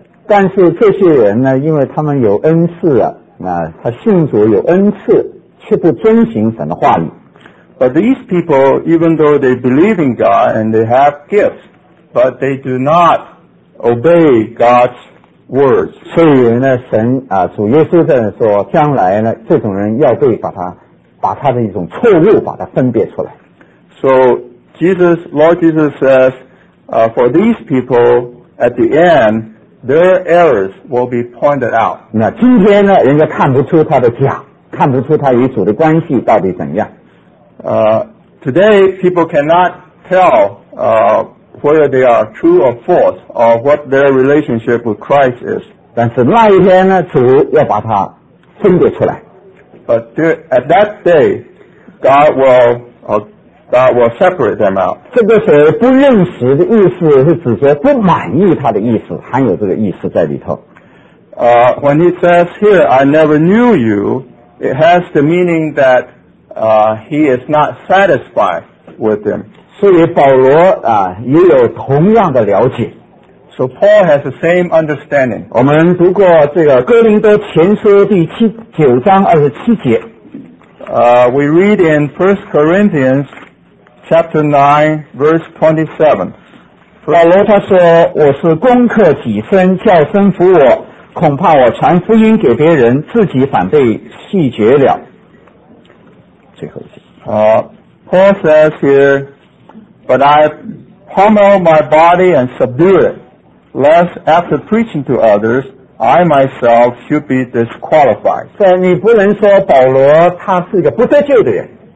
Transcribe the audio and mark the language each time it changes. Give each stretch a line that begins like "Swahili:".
Chinese: 但是这些人呢，因为他们有恩赐啊，他信主有恩赐，却不遵行神的话语。
English: But these people, even though they believe in God and they have gifts, but they do not obey God's words.
Chinese: 所以呢，神啊，主耶稣在说，将来呢，这种人要被把他的一种错误把它分别出来。
English: So,Lord Jesus says, for these people, at the end, their errors will be pointed out.
Chinese: 那今天呢，人家看不出他的假，看不出他与主的关系到底怎样。
English: Today, people cannot tell, whether they are true or false, or what their relationship with Christ is.
Chinese: 但是那一天呢，主要把它分别出来。
English: But at that day, God will separate them out.
Chinese: 这个是不认识的意思，是指说不满意他的意思，含有这个意思在里头。
English: When it says here, I never knew you, it has the meaning that he is not satisfied with them.
Chinese: 所以保罗啊也有同样的了解。
English: So Paul has the same understanding.
Chinese: 我们读过这个哥林多前书第七九章二十七节。
English: We read in 1 Corinthians chapter 9 verse 27.
Chinese: 保罗他说我是攻克己身叫身服我恐怕我传福音给别人自己反被弃绝了。最后一句。
English: Paul says here, but I pummel my body and subdue it. Lest after preaching to others, I myself should be disqualified.
Chinese: 所以你不能说保罗他是一个不得救的人。